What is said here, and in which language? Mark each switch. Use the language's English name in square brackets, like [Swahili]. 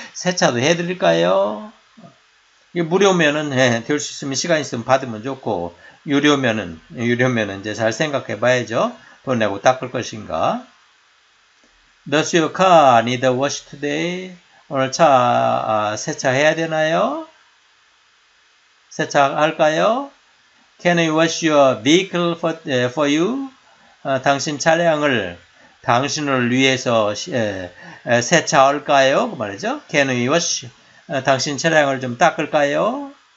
[Korean] 세차도 해드릴까요? 무료면은 될수 있으면 시간 있으면 받으면 좋고 유료면은 이제 잘 생각해 봐야죠. 돈 내고 닦을 것인가? [English] Does your car need a wash today? [Korean] 오늘 차 세차해야 되나요? 세차할까요? [English] Can I wash your vehicle for you? [Korean] 당신 차량을 당신을 위해서 세차할까요? 그 말이죠. [English] Can we wash? [Korean] 당신 차량을 좀 닦을까요?